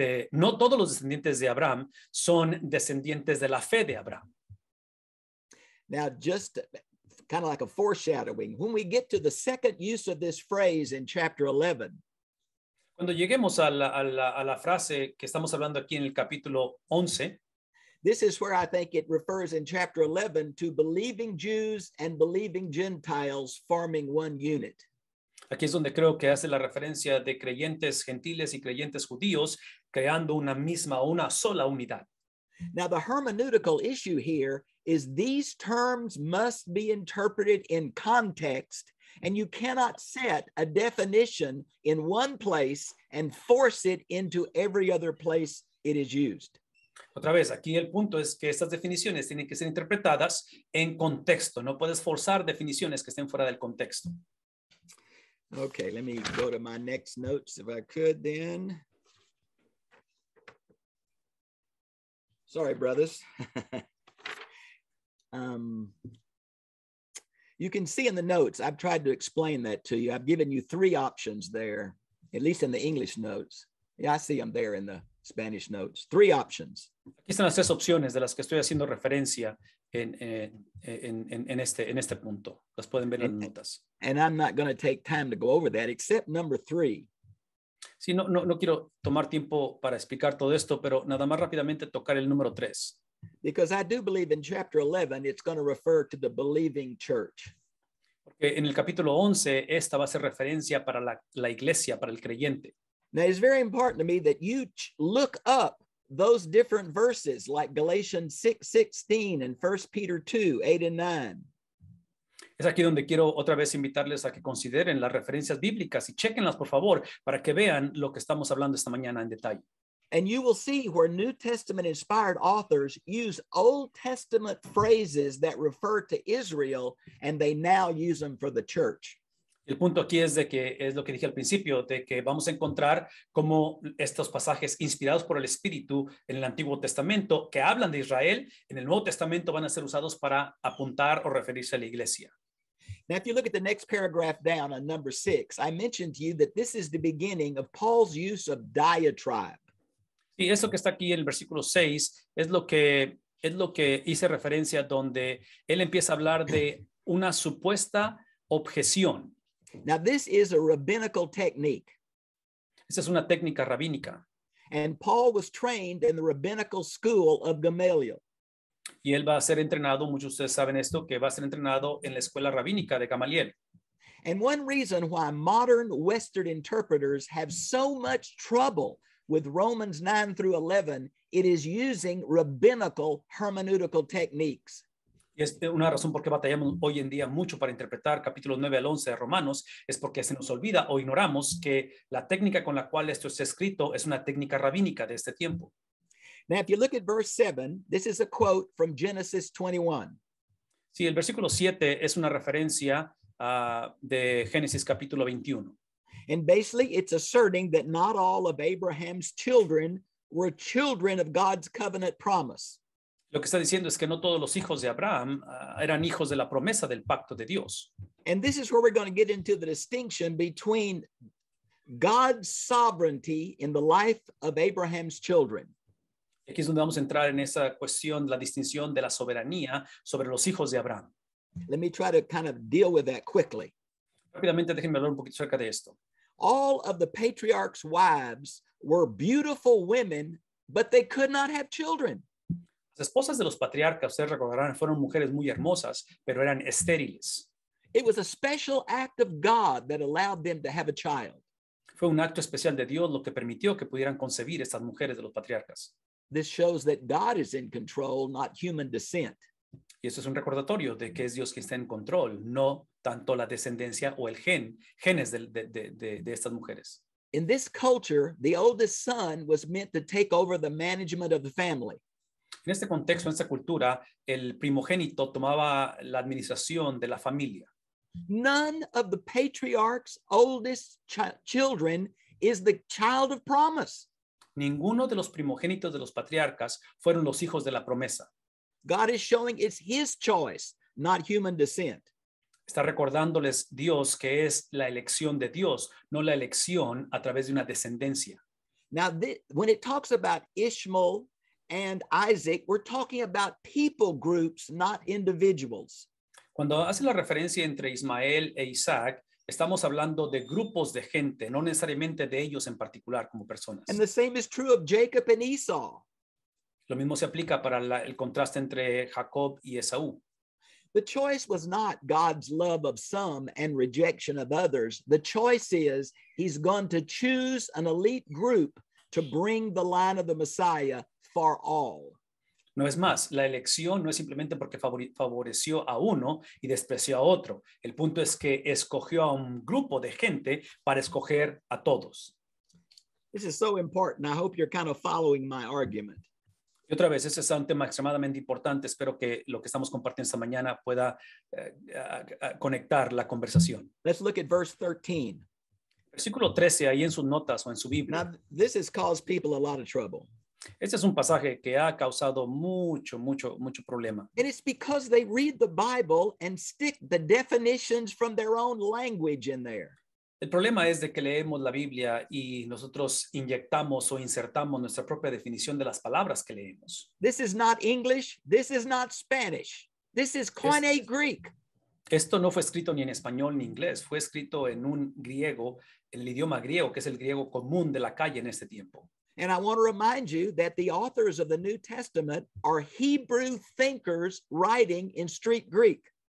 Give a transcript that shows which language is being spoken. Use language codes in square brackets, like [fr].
[es] No todos los descendientes de Abraham son descendientes de la fe de Abraham. [en] Now just kind of like a foreshadowing. When we get to the second use of this phrase in chapter 11. [es] Cuando lleguemos a la frase que estamos hablando aquí en el capítulo 11. [en] This is where I think it refers in chapter 11 to believing Jews and believing Gentiles forming one unit. [es] Aquí es donde creo que hace la referencia de creyentes gentiles y creyentes judíos creando una misma o una sola unidad. [en] Now the hermeneutical issue here is these terms must be interpreted in context, and you cannot set a definition in one place and force it into every other place it is used. [es] Otra vez, aquí el punto es que estas definiciones tienen que ser interpretadas en contexto. No puedes forzar definiciones que estén fuera del contexto. [en] Okay, let me go to my next notes if I could then. Sorry, brothers. You can see in the notes, I've tried to explain that to you. I've given you three options there, at least in the English notes. Yeah, I see them there in the Spanish notes. Three options. [es] Aquí están las tres opciones de las que estoy haciendo referencia en este punto. Las pueden ver en las notas. [en] And I'm not going to take time to go over that, except number three. [es] Sí, no quiero tomar tiempo para explicar todo esto, pero nada más rápidamente tocar el número tres. [en] Because I do believe in chapter 11, it's going to refer to the believing church. [es] Porque en el capítulo 11, esta va a ser referencia para la iglesia, para el creyente. [en] Now, it's very important to me that you look up those different verses like Galatians 6:16 and 1 Peter 2:8-9. [es] Es aquí donde quiero otra vez invitarles a que consideren las referencias bíblicas y chéquenlas, por favor, para que vean lo que estamos hablando esta mañana en detalle. [en] And you will see where New Testament inspired authors use Old Testament phrases that refer to Israel, and they now use them for the church. [es] El punto aquí es de que es lo que dije al principio, de que vamos a encontrar cómo estos pasajes inspirados por el Espíritu en el Antiguo Testamento que hablan de Israel, en el Nuevo Testamento van a ser usados para apuntar o referirse a la iglesia. [en] Now, if you look at the next paragraph down on number 6, I mentioned to you that this is the beginning of Paul's use of diatribe. [es] Y eso que está aquí en el versículo 6 es lo que hice referencia donde él empieza a hablar de una supuesta objeción. [en] Now this is a rabbinical technique. [es] Esa es una técnica rabínica. [en] And Paul was trained in the rabbinical school of Gamaliel. [es] Y él va a ser entrenado, muchos de ustedes saben esto, que va a ser entrenado en la escuela rabínica de Gamaliel. [en] And one reason why modern Western interpreters have so much trouble with Romans 9 through 11, it is using rabbinical hermeneutical techniques. [es] Y es una razón por qué batallamos hoy en día mucho para interpretar capítulo 9 al 11 de Romanos, es porque se nos olvida o ignoramos que la técnica con la cual esto está escrito es una técnica rabínica de este tiempo. [en] Now, if you look at verse 7, this is a quote from Genesis 21. [es] Sí, el versículo 7 es una referencia de Génesis capítulo 21. [en] And basically, it's asserting that not all of Abraham's children were children of God's covenant promise. [es] Lo que está diciendo es que no todos los hijos de Abraham eran hijos de la promesa del pacto de Dios. [en] And this is where we're going to get into the distinction between God's sovereignty in the life of Abraham's children. [es] Aquí es donde vamos a entrar en esa cuestión, la distinción de la soberanía sobre los hijos de Abraham. [en] Let me try to kind of deal with that quickly. [es] Rápidamente, déjenme hablar un poquito acerca de esto. [en] All of the patriarch's wives were beautiful women, but they could not have children. [es] Las esposas de los patriarcas, ustedes recordarán, fueron mujeres muy hermosas, pero eran estériles. [en] It was a special act of God that allowed them to have a child. [es] Fue un acto especial de Dios lo que permitió que pudieran concebir estas mujeres de los patriarcas. [en] This shows that God is in control, not human descent. [es] Y eso es un recordatorio de que es Dios quien está en control, no tanto la descendencia o el genes de estas mujeres. [en] In this culture, the oldest son was meant to take over the management of the family. [es] En este contexto, en esta cultura, el primogénito tomaba la administración de la familia. [en] None of the patriarch's oldest children is the child of promise. [es] Ninguno de los primogénitos de los patriarcas fueron los hijos de la promesa. [en] God is showing it's his choice, not human descent. [es] Está recordándoles Dios que es la elección de Dios, no la elección a través de una descendencia. [en] Now, when it talks about Ishmael and Isaac, we're talking about people groups, not individuals. [es] Cuando hace la referencia entre Ismael e Isaac, estamos hablando de grupos de gente, no necesariamente de ellos en particular como personas. [en] And the same is true of Jacob and Esau. [es] Lo mismo se aplica para el contraste entre Jacob y Esaú. [en] The choice was not God's love of some and rejection of others. The choice is he's going to choose an elite group to bring the line of the Messiah for all. [es] No es más, la elección no es simplemente porque favoreció a uno y despreció a otro. El punto es que escogió a un grupo de gente para escoger a todos. [en] This is so important. I hope you're kind of following my argument. [es] Y otra vez, ese es un tema extremadamente importante. Espero que lo que estamos compartiendo esta mañana pueda conectar la conversación. [en] Let's look at verse 13. [es] Versículo 13, ahí en sus notas o en su Biblia. [en] Now, this has caused people a lot of trouble. [es] Este es un pasaje que ha causado mucho, mucho, mucho problema. [en] And it's because they read the Bible and stick the definitions from their own language in there. [es] El problema es de que leemos la Biblia y nosotros inyectamos o insertamos nuestra propia definición de las palabras que leemos. [en] This is not English. This is not Spanish. This is Koine Greek. [es] Esto no fue escrito ni en español ni en inglés. Fue escrito en un griego, en el idioma griego, que es el griego común de la calle en este tiempo. [en] And I want to remind you that the authors of the New Testament are Hebrew thinkers writing in street Greek.